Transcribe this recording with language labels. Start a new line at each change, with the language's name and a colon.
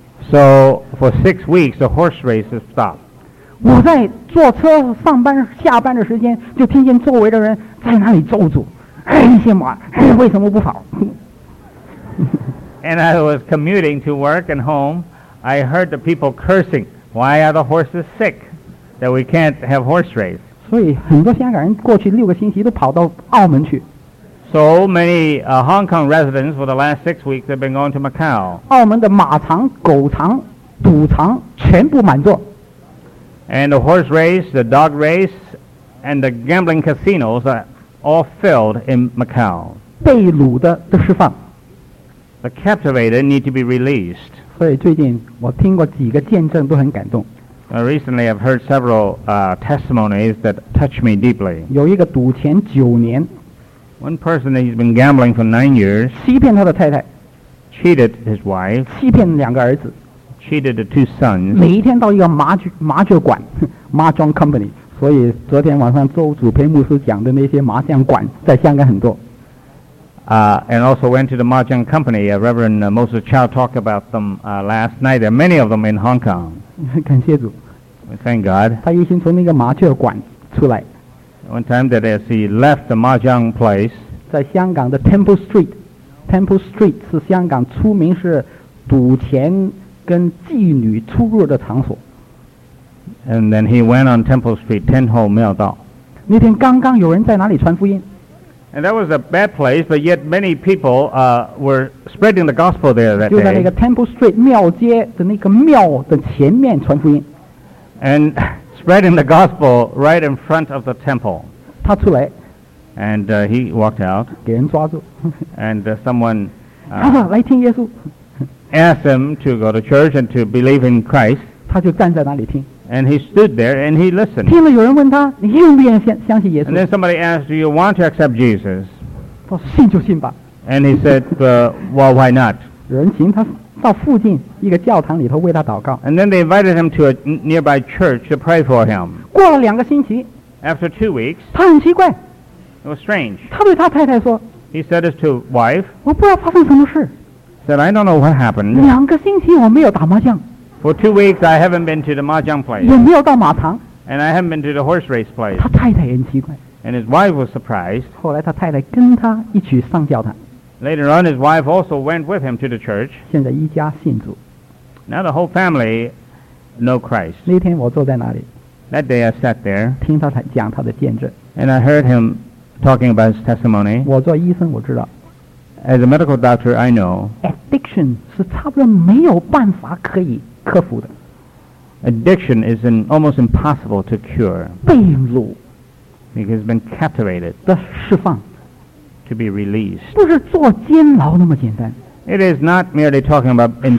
English: So for 6 weeks, the horse race is stopped.
Chinese: 我在坐车上班下班的时间，就听见周围的人在那里咒诅：“哎，一些马，哎，为什么不跑？”
English: And I was commuting to work and home. I heard the people cursing. Why are the horses sick? That we can't have horse race.
Chinese: 所以很多香港人过去六个星期都跑到澳门去。
English: So many Hong Kong residents for the last 6 weeks have been going to Macau.
Chinese: 澳门的马场、狗场、赌场全部满座。
English: And the horse race, the dog race, and the gambling casinos are all filled in Macau.
Chinese: 被掳的都释放。
English: The captivated need to be released.
Chinese: 所以最近我听过几个见证都很感动。
English: Recently I've heard several testimonies that touch me deeply.
Chinese: 有一个赌钱九年。
English: One person that he's been gambling for 9 years
Chinese: 欺骗他的太太
English: cheated his wife
Chinese: 欺骗两个儿子
English: cheated the two sons
Chinese: 每一天到一个麻将馆 Mahjong Company 所以昨天晚上周主培牧师讲的那些麻将馆在香港很多
English: and also went to the Mahjong Company Reverend Moses Chow talked about them last night there are many of them in Hong Kong
Chinese: 感谢主
English: thank God
Chinese: 他一心从那个麻将馆出来
English: One time that as he left the Mahjong place
Chinese: 在香港的 Temple Street 是香港出名是赌钱跟妓女出入的场所
English: And then he went on Temple Street Ten Ho 庙道
Chinese: 那天刚刚有人在哪里传福音
English: And that was a bad place But yet many people were spreading the gospel there that day
Chinese: 就在那个 Temple Street 庙街的那个庙的前面传福音
English: Andspreading the gospel right in front of the temple
Chinese: 他出来
English: and he walked out
Chinese: 给人抓住
English: and someone
Chinese: 他说来听耶稣
English: asked him to go to church and to believe in Christ
Chinese: 他就站在那里听
English: and he stood there and he listened
Chinese: 听了有人问他你愿不愿意相信耶稣
English: and then somebody asked do you want to accept Jesus
Chinese: 他说信就信吧
English: and he said well why not
Chinese: 人请他到附近一个教堂里头为他祷告
English: and then they invited him to a nearby church to pray for him
Chinese: 过了两个星期
English: after 2 weeks
Chinese: 他很奇怪
English: it was strange
Chinese: 他对他太太说
English: he said this to wife
Chinese: 我不知道发生什么事
English: said I don't know what happened
Chinese: 两个星期我没有打麻将
English: for 2 weeks I haven't been to the mahjong place
Chinese: 也没有到马场
English: and I haven't been to the horse race place
Chinese: 他太太也很奇怪
English: and his wife was surprised
Chinese: 后来他太太跟他一起上教堂
English: Later on, his wife also went with him to the church.
Chinese: 现在一家信主。
English: Now the whole family know Christ.
Chinese: 那天我坐在那里。
English: That day I sat there.
Chinese: 听他讲他的见证。
English: And I heard him talking about his testimony.
Chinese: 我做医生我知道。
English: As a medical doctor, I know.
Chinese: Addiction 是差不多没有办法可以克服的。
English: Addiction is almost impossible to cure.
Chinese: 被掳。
English: Because it's been captivated.
Chinese: 的释放。
English: To be released.
Chinese: 不是坐监牢那么简单
English: It is not merely talking about imprisonment.